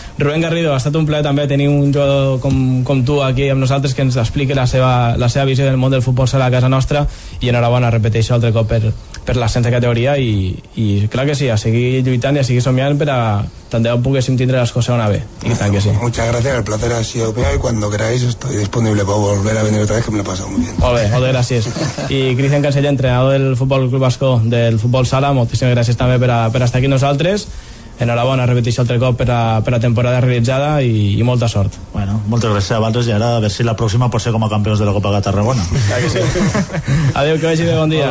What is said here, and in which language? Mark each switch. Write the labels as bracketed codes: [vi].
[ca] Rubén Garrido, ha estat un plaer també tenir un jugador com tu aquí amb nosaltres que ens expliqui la seva visió del món del futbol sala a casa nostra, i enhorabona, repeteixo altre cop per la sense categoria i clar que sí, a seguir lluitant i a seguir somiant per a tant de bo poguéssim tindre les coses una bé. I tant que sí. [es] Muchas gracias, el placer ha sido mío y cuando queráis estoy disponible para volver a venir otra vez, que me lo he pasado muy bien. [ca] Molt bé, moltes gràcies. I Cristian Canceller, entrenador del Futbol Club Bascó del Futbol Sala, moltíssimes gràcies també per estar aquí nosaltres. Enhorabona, repeteixo altre cop per a temporada realitzada i molta sort. Bueno, moltes gràcies a vosaltres i ara a veure si la pròxima pot ser com a campions de la Copa de Tarragona. Clar que sí. Adéu, que vagi bé, bon dia.